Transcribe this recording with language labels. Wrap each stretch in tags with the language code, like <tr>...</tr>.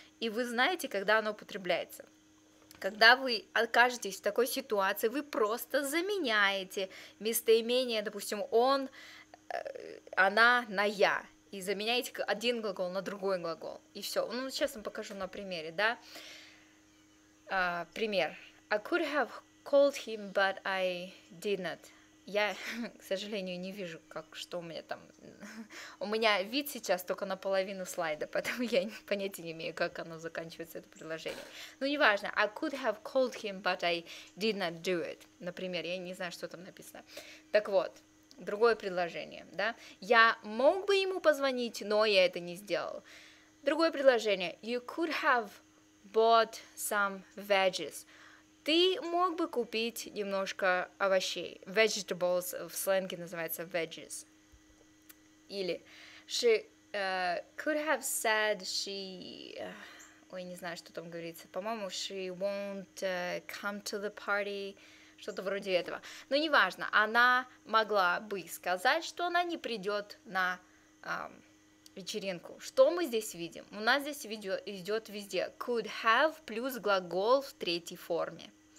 <ru>И вы знаете, когда оно употребляется. Когда вы окажетесь в такой ситуации, вы просто заменяете местоимение, допустим, он, она на я, и заменяете один глагол на другой глагол, и все. Ну, сейчас вам покажу на примере, да. Пример.</ru> <en>I could have called him, but I didn't.</en> <ru>Я, к сожалению, не вижу, как, что у меня там. У меня вид сейчас только наполовину слайда, поэтому я понятия не имею, как оно заканчивается, это предложение. Ну, неважно.</ru> <en>I could have called him, but I did not do it.</en> <ru>Например, я не знаю, что там написано. Так вот, другое предложение, да? Я мог бы ему позвонить, но я это не сделал. Другое предложение.</ru> <en>You could have bought some veggies.</en> <ru>Ты мог бы купить немножко овощей. Vegetables в сленге называется veggies.</ru> <en>Или she could have said she...</en> <ru>ой, не знаю, что там говорится, по-моему,</ru> <en>she won't come to the party,</en> <ru>что-то вроде этого. Но неважно, она могла бы сказать, что она не придет на вечеринку. Что мы здесь видим? У нас здесь видео идет везде. Could have плюс глагол в третьей форме.</ru>